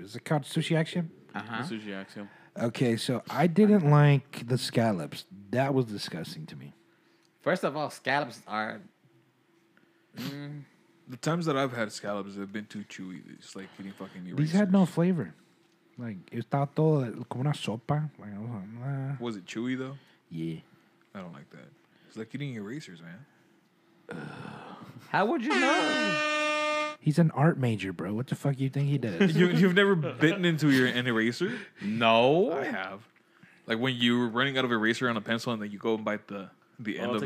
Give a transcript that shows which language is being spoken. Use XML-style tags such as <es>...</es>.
<en>Is it called Sushi Action? Uh-huh. Sushi Action. Okay, so I didn't like the scallops. That was disgusting to me. First of all, scallops are... The times that I've had scallops have been too chewy. It's like eating fucking erasers. These had no flavor. Like,</en> <es>está todo como una sopa.</es> <en>Like, was it chewy, though? Yeah. I don't like that. It's like eating erasers, man. How would you know? He's an art major, bro. What the fuck you think he does? You've never bitten into an eraser? No. I have. Like, when you're running out of eraser on a pencil and then you go and bite the end of it.</en>